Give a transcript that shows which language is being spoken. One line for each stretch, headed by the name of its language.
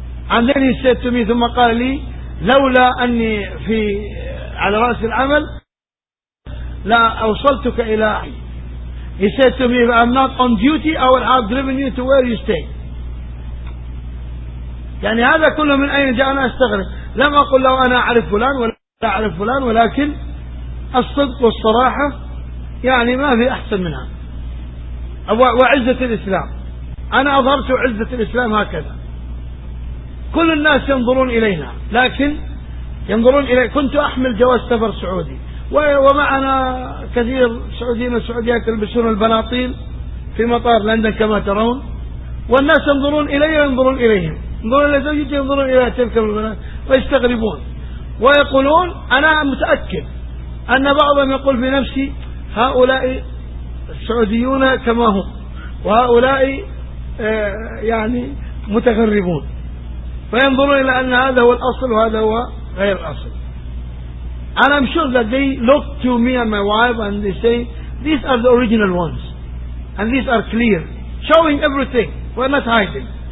English: And then he said to me,
Arabic: ثم قال لي, لولا أني في على رأس العمل لا أوصلتك إلى أحي.
English: He said to me, if I'm not on duty, I would have driven you to where you stay.
Arabic: يعني هذا كله من أين جاء؟ أنا أستغرب. لم أقل له أنا أعرف فلان ولا أعرف فلان, ولكن الصدق والصراحة يعني ما في أحسن منها. وعزة الإسلام, أنا أظهرت عزة الإسلام هكذا. كل الناس ينظرون إلينا, لكن ينظرون إلي. كنت أحمل جواز سفر سعودي, ومعنا كثير سعوديين وسعوديات يلبسون البناطيل في مطار لندن كما ترون, والناس ينظرون إلي وينظرون إليهم, ينظرون إلى زوجتي, ينظرون إلى تلك البنات, ويستغربون ويقولون. أنا متأكد أن بعضهم يقول في نفسي, هؤلاء السعوديون كما هم, وهؤلاء يعني متغربون, فينظرون إلى أن هذا هو الأصل وهذا هو غير الأصل.
English: And I'm sure that they look to me and my wife and they say, these are the original ones and these are clear, showing everything. We're not hiding.